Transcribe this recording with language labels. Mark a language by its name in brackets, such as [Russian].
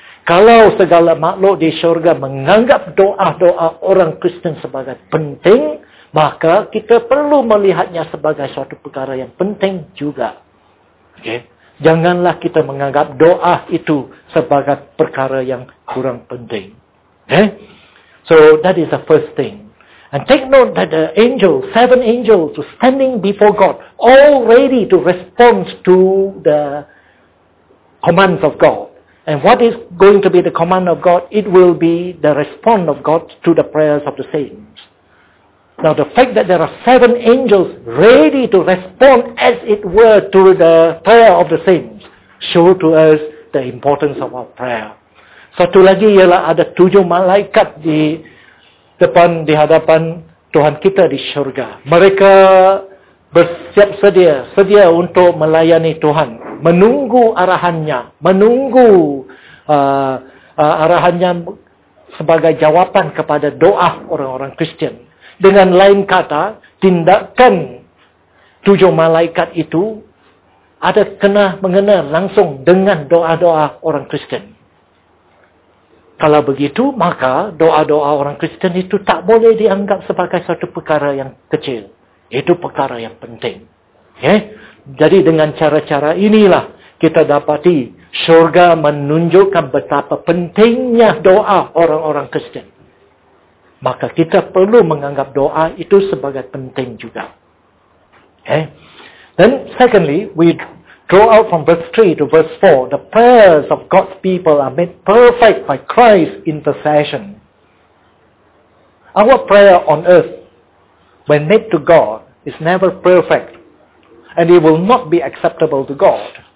[Malay] Kalau segala makhluk di syurga menganggap doa-doa orang Kristen sebagai penting, maka kita perlu melihatnya sebagai suatu perkara yang penting juga. Okay. Janganlah kita menganggap doa itu sebagai perkara yang kurang penting. Okay. [English] So that is the first thing. And take note that the angels, seven angels, were standing before God, all ready to respond to the commands of God. And what is going to be the command of God? It will be the response of God to the prayers of the saints. Now the fact that there are seven angels ready to respond as it were to the prayer of the saints show to us the importance of our prayer. [Malay] Satu lagi ialah ada tujuh malaikat di hadapan Tuhan kita di syurga. Mereka bersiap sedia untuk melayani Tuhan. Menunggu arahannya. Menunggu arahannya sebagai jawapan kepada doa orang-orang Kristian. Dengan lain kata, tindakan tujuh malaikat itu ada kena mengena langsung dengan doa-doa orang Kristian. Kalau begitu, maka doa-doa orang Kristen itu tak boleh dianggap sebagai satu perkara yang kecil. Itu perkara yang penting. Okay? Jadi dengan cara-cara inilah kita dapati syurga menunjukkan betapa pentingnya doa orang-orang Kristen. Maka kita perlu menganggap doa itu sebagai penting juga. Okay? [English] Then secondly, we draw out from verse 3 to verse 4, the prayers of God's people are made perfect by Christ's intercession. Our prayer on earth, when made to God, is never perfect, and it will not be acceptable to God.